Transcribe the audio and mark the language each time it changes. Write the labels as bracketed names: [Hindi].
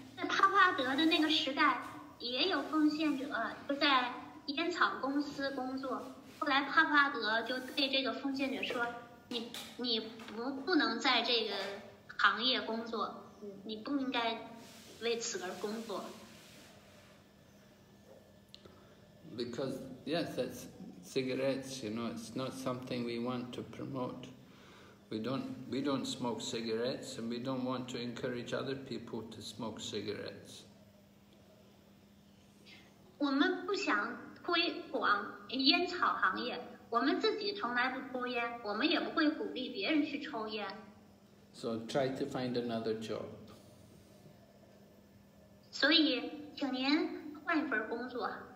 [Chinese] 在帕帕德的那个时代也有奉献者就在烟草公司工作。后来帕帕德就对这个奉献者说，你不能在这个行业工作，你不应该为此而工作。 [English] Because, yes, that's cigarettes, you know, it's not something we want to promote. We don't smoke cigarettes, and we don't want to encourage other people to smoke cigarettes. [Chinese] 我们不想推广烟草行业，我们自己从来不抽烟，我们也不会鼓励别人去抽烟。 [English] So try to find another job. [Chinese] 所以，请您换一份工作。